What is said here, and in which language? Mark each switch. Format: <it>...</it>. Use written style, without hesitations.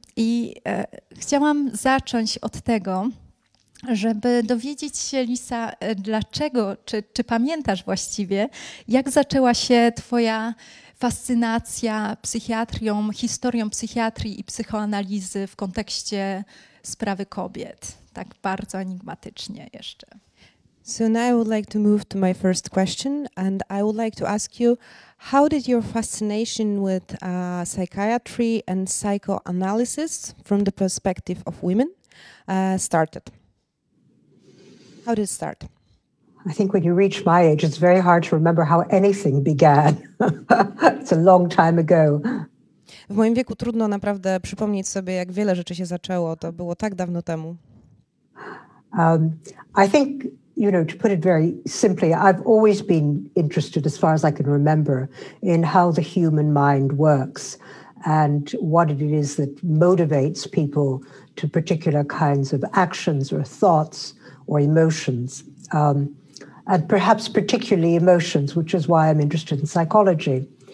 <pl>I chciałam zacząć od tego, żeby dowiedzieć się, Lisa, dlaczego, czy pamiętasz właściwie, jak zaczęła się twoja fascynacja psychiatrią, historią psychiatrii i psychoanalizy w kontekście sprawy kobiet, tak bardzo enigmatycznie jeszcze.</pl> <en>So now I would like to move to my first question, and I would like to ask you, how did your fascination with psychiatry and psychoanalysis from the perspective of women started? How did it start? I think when you reach my age, it's very hard to remember how anything began. It's a long time ago.</en> <pl>W moim wieku trudno naprawdę przypomnieć sobie, jak wiele rzeczy się zaczęło. To było tak dawno temu.</pl> <en>I think, you know, to put it very simply, I've always been interested, as far as I can remember, in how the human mind works and what it is that motivates people to particular kinds of actions or thoughts or emotions, and perhaps particularly emotions, which is why I'm interested in psychology.</en>